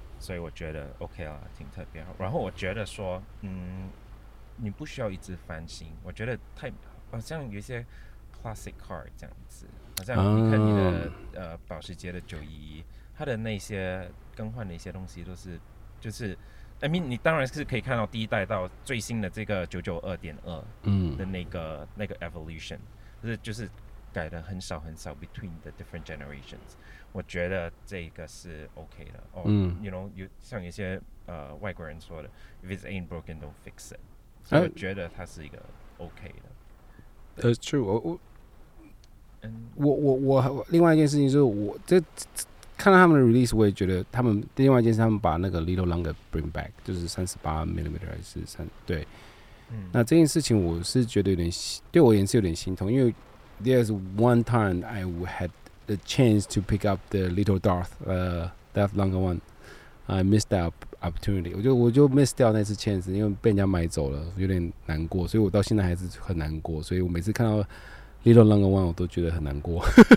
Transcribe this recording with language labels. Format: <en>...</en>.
<zh>所以我觉得 OK 啦，挺特别。然后我觉得说你不需要一直翻新，我觉得太好像有些 classic car 这样子，好像你看你的保时捷的911，它的那些更换的一些东西都是，就是 I mean 你当然是可以看到第一代到最新的这个992.2的那个 evolution， 就是改的很少很少 between the different generations，我觉得这个是 OK 的。 you know，有像一些外国人说的 if it ain't broken don't fix it，所以我觉得它是一个 OK 的。</zh> <en>That's true。</en> <zh>我另外一件事情就是我这看到他们的 release， 我也觉得他们另外一件事，他们把那个 little longer bring back，就是38mm 还是三，对，那这件事情我是觉得有点，对我也是有点心痛，因为 there's one time I had the chance to pick up the little Darth that longer one， I missed that opportunity，我就 miss 掉那次 chance， 因为被人家买走了，有点难过，所以我到现在还是很难过，所以我每次看到Little Longer One 我都觉得很难过。</zh>